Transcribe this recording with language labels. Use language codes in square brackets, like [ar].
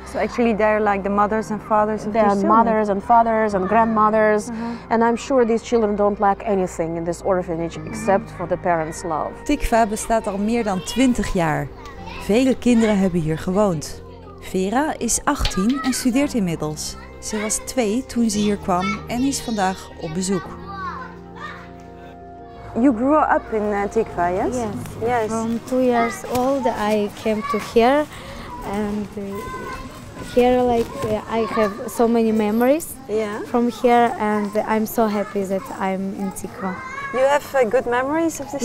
[en] So actually they're like the mothers and fathers of these children? They're mothers and fathers and grandmothers. Mm-hmm. And I'm sure these children don't lack anything in this orphanage except for the parents' love. [nl] Tikva bestaat al meer dan 20 jaar. Vele kinderen hebben hier gewoond. Vera is 18 en studeert inmiddels. Ze was 2 toen ze hier kwam en is vandaag op bezoek. [en] You grew up in Tikva, yes? Yes. From 2 years old I came to here and here like I have so many memories from here and I'm so happy that I'm in Tikva. You have good memories of this